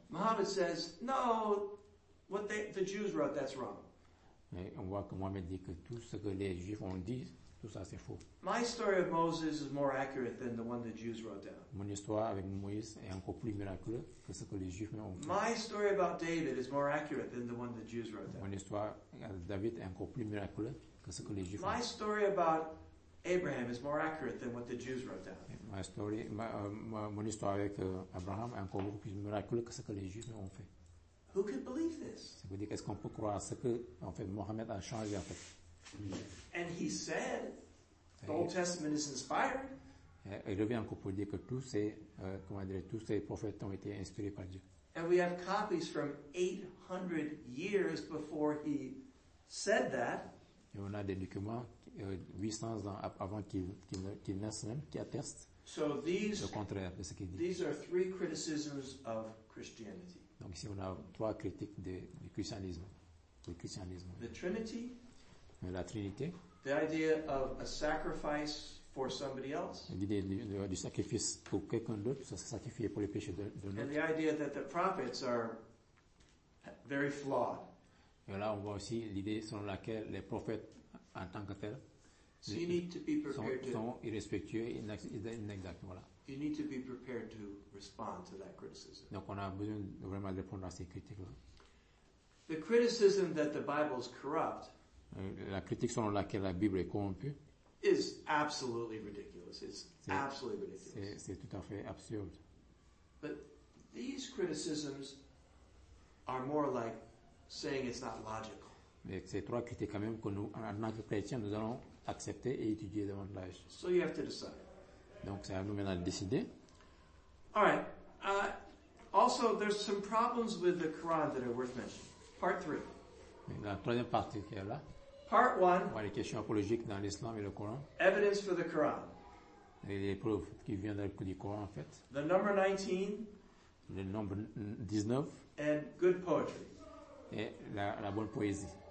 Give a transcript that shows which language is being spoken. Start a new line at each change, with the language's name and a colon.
English: Muhammad says, no, what they, the Jews wrote, that's wrong.
French: Et on voit que Muhammad dit que tout ce que les Juifs ont dit, tout ça c'est faux.
English: My story of Moses is more accurate than the one the Jews wrote down.
French: Mon histoire avec Moïse est encore plus miraculeuse que ce que les Juifs ont écrit.
English: My story about David is more accurate than the one the Jews wrote down.
French: Mon histoire avec David est encore plus miraculeuse que ce que les Juifs ont écrit.
English: My story about Abraham is more accurate than what the Jews wrote down.
French: Mon histoire avec Abraham est encore beaucoup plus miraculeuse que ce que les Juifs ont fait.
English: Who could believe this?
French: Ça veut dire qu'est-ce qu'on peut croire ce que en fait Mohammed a changé en fait.
English: And he said, the Old Testament is inspired.
French: Il revient encore pour dire que tous ces comment dire tous ces prophètes ont été inspirés par Dieu.
English: And we have copies from 800 years before he said that.
French: Et on a des documents 800 ans avant qu'il naisse même qui attestent
English: so these,
French: le contraire de ce qu'il dit.
English: These are three criticisms of Christianity.
French: Donc ici on a trois critiques du christianisme.
English: The Trinity.
French: La Trinité.
English: The idea of a sacrifice for somebody else.
French: L'idée du sacrifice pour quelqu'un d'autre, se sacrifier pour les péchés de l'autre.
English: And the idea that the prophets are very flawed.
French: Et là on voit aussi l'idée selon laquelle les prophètes en tant que tels sont irrespectueux et inexacts. Voilà.
English: You need to be prepared to respond to that criticism.
French: Donc on a besoin de vraiment de répondre à ces critiques-là.
English: The criticism that the Bible is corrupt.
French: La critique selon laquelle la Bible est corrompue.
English: Is absolutely ridiculous.
French: C'est tout à fait absurde.
English: But these criticisms are more like saying it's not logical.
French: Mais ces trois critiques quand même que nous, en tant que chrétiens, nous allons accepter et étudier devant la Bible.
English: So you have to decide.
French: Donc c'est à nous maintenant de décider.
English: All right. Also, there's some problems with the Quran that are worth mentioning. Part 3.
French: La troisième partie qui est là.
English: Part 1.
French: Ouais, les questions apologiques dans l'islam et le Coran.
English: Evidence for the Quran.
French: Les preuves qui viennent du Coran en fait.
English: The number 19.
French: Le nombre 19.
English: And good poetry.
French: Et la bonne poésie.